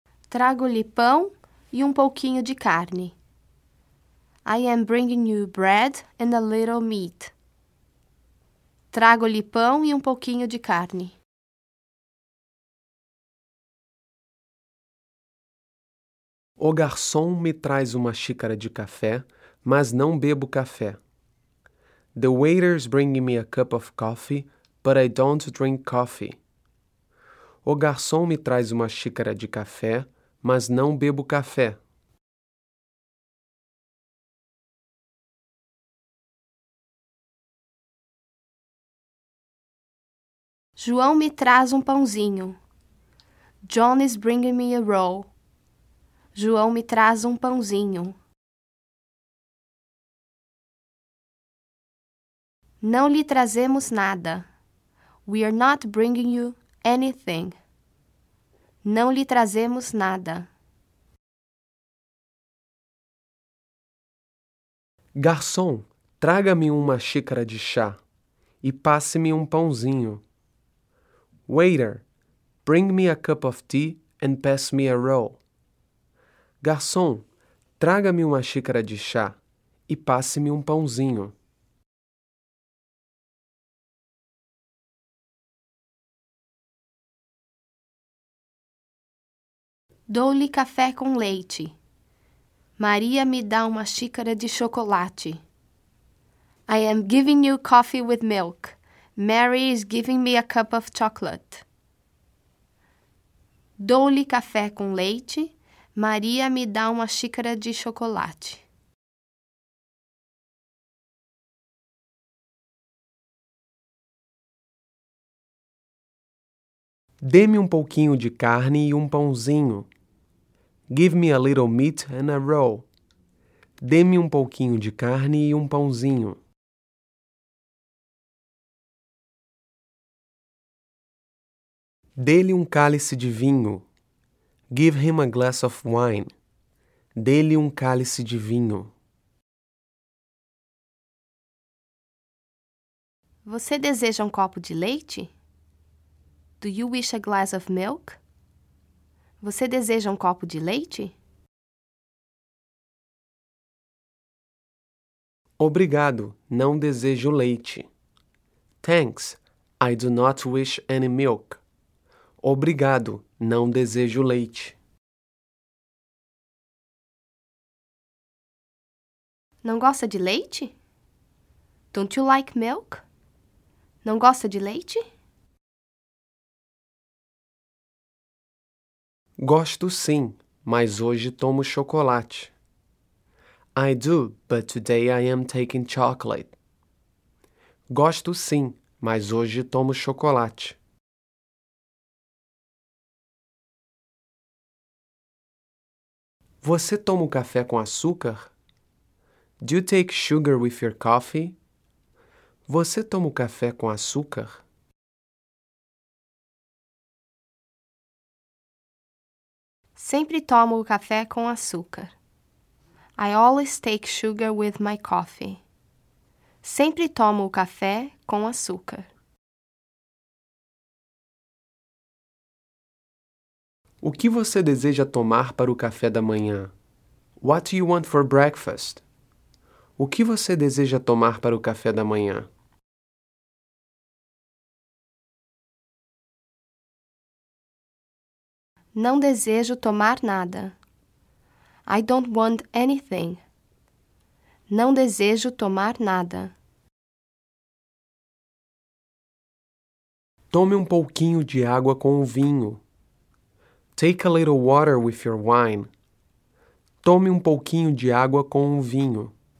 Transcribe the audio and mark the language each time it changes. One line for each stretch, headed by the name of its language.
Portuguese: Trago-lhe pão e um pouquinho de carne.
English: I am bringing you bread and a little meat.
Portuguese: Trago-lhe pão e um pouquinho de carne. O garçom me traz uma xícara de café, mas não bebo café.
English: The waiter's bringing me a cup of coffee, but I don't drink coffee.
Portuguese: O garçom me traz uma xícara de café, mas não bebo café. João me traz um pãozinho.
English: John is bringing me a roll.
Portuguese: João me traz um pãozinho. Não lhe trazemos nada.
English: We are not bringing you anything.
Portuguese: Não lhe trazemos nada. Garçom, traga-me uma xícara de chá e passe-me um pãozinho.
English: Waiter, bring me a cup of tea and pass me a roll.
Portuguese: Garçom, traga-me uma xícara de chá e passe-me um pãozinho. Dou-lhe café com leite. Maria me dá uma xícara de chocolate.
English: I am giving you coffee with milk. Mary is giving me a cup of chocolate.
Portuguese: Dou-lhe café com leite. Maria me dá uma xícara de chocolate. Dê-me um pouquinho de carne e um pãozinho.
English: Give me a little meat and a roll.
Portuguese: Dê-me um pouquinho de carne e um pãozinho. Dê-lhe um cálice de vinho.
English: Give him a glass of wine.
Portuguese: Dê-lhe um cálice de vinho. Você deseja um copo de leite?
English: Do you wish a glass of milk?
Portuguese: Você deseja um copo de leite? Obrigado, não desejo leite.
English: Thanks, I do not wish any milk.
Portuguese: Obrigado, não desejo leite. Não gosta de leite?
English: Don't you like milk?
Portuguese: Não gosta de leite? Gosto sim, mas hoje tomo chocolate.
English: I do, but today I am taking chocolate.
Portuguese: Gosto sim, mas hoje tomo chocolate. Você toma um café com açúcar?
English: Do you take sugar with your coffee?
Portuguese: Você toma o café com açúcar? Sempre tomo o café com açúcar.
English: I always take sugar with my coffee.
Portuguese: Sempre tomo o café com açúcar. O que você deseja tomar para o café da manhã?
English: What do you want for breakfast?
Portuguese: O que você deseja tomar para o café da manhã? Não desejo tomar nada.
English: I don't want anything.
Portuguese: Não desejo tomar nada. Tome um pouquinho de água com o vinho.
English: Take a little water with your wine.
Portuguese: Tome um pouquinho de água com o vinho.